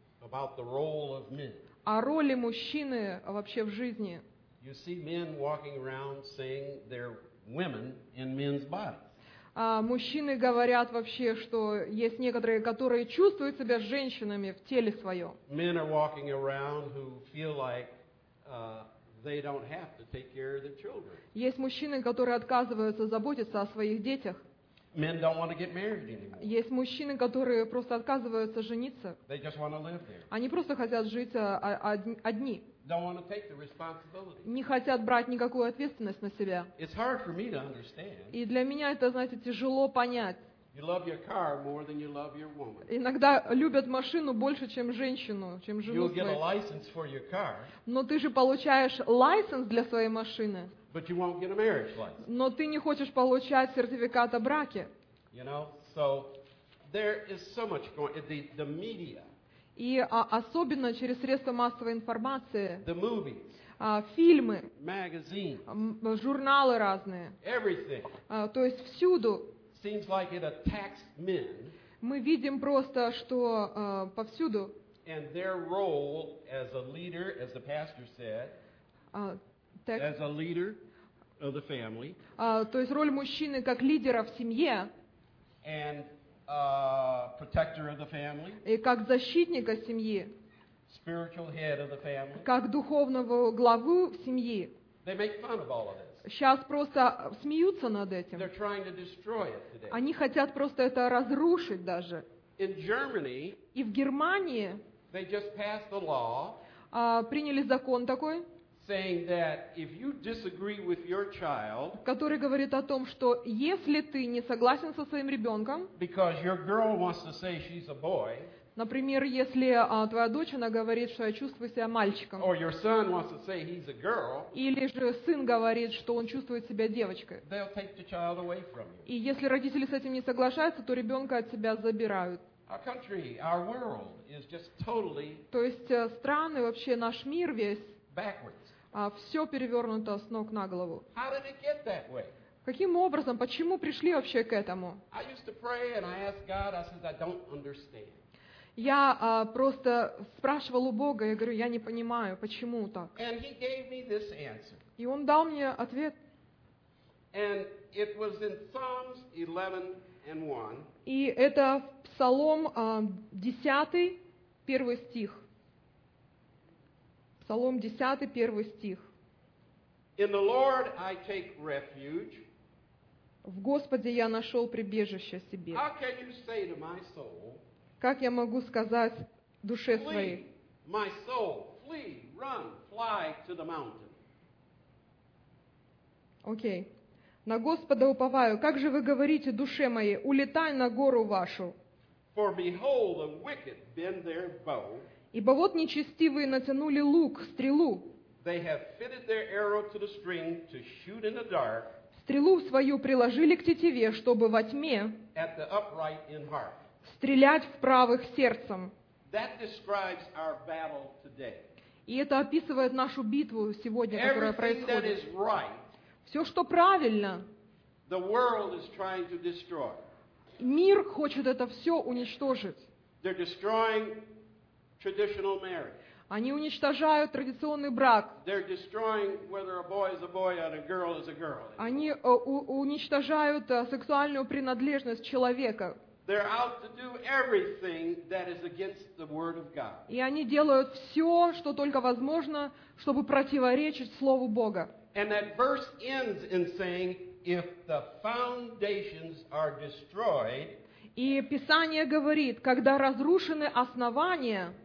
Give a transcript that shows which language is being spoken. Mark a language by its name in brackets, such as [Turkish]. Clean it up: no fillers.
[English] About the role of men. [Russian] О роли мужчины вообще в жизни. [English] You see men walking around saying they're women in men's bodies. [Russian] Мужчины говорят вообще, что есть некоторые, которые чувствуют себя женщинами в теле своем. [English] Men are walking around who feel like they don't have to take care of their children. [Russian] Есть мужчины, которые отказываются заботиться о своих детях. [English] Men don't want to get married anymore. [Russian] Есть мужчины, которые просто отказываются жениться. [English] They just want to live there. [Russian] Они просто хотят жить одни. [English] Don't want to take the responsibility. [Russian] Не хотят брать никакую ответственность на себя. [English] It's hard for me to understand. [Russian] И для меня это, знаете, тяжело понять. [English] You love your car more than you love your woman. [Russian] Иногда любят машину больше, чем женщину, чем жену свою. [English] You'll get a license for your car. [Russian] Но ты же получаешь license для своей машины. [English] But you won't get a marriage license. [Russian] Но ты не хочешь получать сертификат о браке. [English] You know, so there is so much going on. The media. [Russian] И особенно через средства массовой информации, [English] the movies, [Russian] фильмы, [English] magazine, [Russian] журналы разные, [English] everything. [Russian] То есть всюду [English] seems like it attacks men, [Russian] мы видим просто, что повсюду [English] and their role as a leader, as the pastor said, as a leader of the family, [Russian] то есть роль мужчины как лидера в семье, [English] and protector of the family, [Russian] и как защитника семьи, [English] spiritual head of the family, [Russian] как духовного главу семьи. [English] They make fun of all of this. [Russian] Сейчас просто смеются над этим. [English] They're trying to destroy it today. [Russian] Они хотят просто это разрушить даже. [English] In Germany, [Russian] и в Германии [English] they just passed a law, [Russian] приняли закон такой, [English] saying that if you disagree with your child, [Russian] который говорит о том, что если ты не согласен со своим ребенком, [English] because your girl wants to say she's a boy, [Russian] например, если твоя дочь, она говорит, что я чувствую себя мальчиком, [English] or your son wants to say he's a girl, [Russian] или же сын говорит, что он чувствует себя девочкой, [English] they'll take the child away from you. [Russian] И если родители с этим не соглашаются, то ребенка от себя забирают. [English] Our country, our world is just totally. [Russian] То есть страны, вообще наш мир весь. [English] Backwards. [Russian] Все перевернуто с ног на голову. [English] How did it get that way? [Russian] Каким образом, почему пришли вообще к этому? [English] I used to pray and I asked God. I said I don't understand. [Russian] Я просто спрашивал у Бога, я говорю, я не понимаю, почему так. [English] And He gave me this answer. [Russian] И Он дал мне ответ. [English] And it was in Psalms 11 and 1. [Russian] И это Псалом 10, 1 стих. Псалом 10, 1 стих. [English] In the Lord I take refuge. [Russian] В Господе я нашел прибежище себе. [English] How can you say to my soul, [Russian] как я могу сказать душе своей? [English] Flee, my soul, flee, run, fly to the mountain. [Russian] Окей. На Господа уповаю. Как же вы говорите, душе моей, улетай на гору вашу? [English] For behold, the wicked bend their bow. [Russian] Ибо вот нечестивые натянули лук, стрелу. [English] They have fitted their arrow to the string to shoot in the dark. [Russian] Стрелу свою приложили к тетиве, чтобы во тьме [English] at the upright in heart. [Russian] Стрелять в правых сердцем. [English] That describes our battle today. [Russian] И это описывает нашу битву сегодня, [English] everything, [Russian] которая происходит. [English] Everything that is right. [Russian] Все, что правильно, [English] the world is trying to destroy. [Russian] Мир хочет это все уничтожить. [English] They're destroying traditional marriage. [Russian] Они уничтожают традиционный брак. [English] They're destroying whether a boy is a boy and a girl is a girl. [Russian] Они уничтожают сексуальную принадлежность человека. [English] They're out to do everything that is against the word of God. [Russian] И они делают все, что только возможно, чтобы противоречить слову Бога. [English] And that verse ends in saying, if the foundations are destroyed, [Russian] и Писание говорит, когда разрушены основания,